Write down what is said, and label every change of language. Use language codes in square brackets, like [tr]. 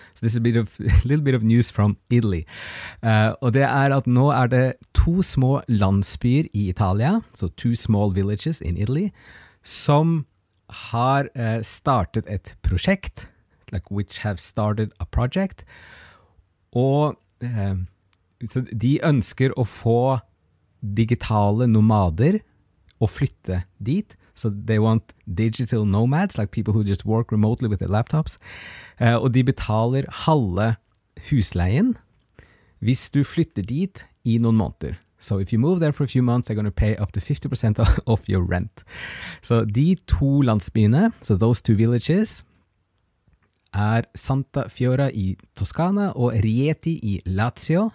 [en] So this is a little bit of news from Italy. [no] Og det at nå det to små landsbyer I Italia, så [en] two small villages in Italy, [no] som har startet et prosjekt, [en] like which have started a project, [no] og så de ønsker å få digitale nomader og flytte dit. Så [en] they want digital nomads, like people who just work remotely with their laptops. [no] Og de betaler halve husleien hvis du flytter dit I noen måneder. [en] So if you move there for a few months, they're going to pay up to 50% of your rent. [no] Så de to landsbyene, så [en] so those two villages, [no] Santa Fiora I Toscana og Rieti I Lazio.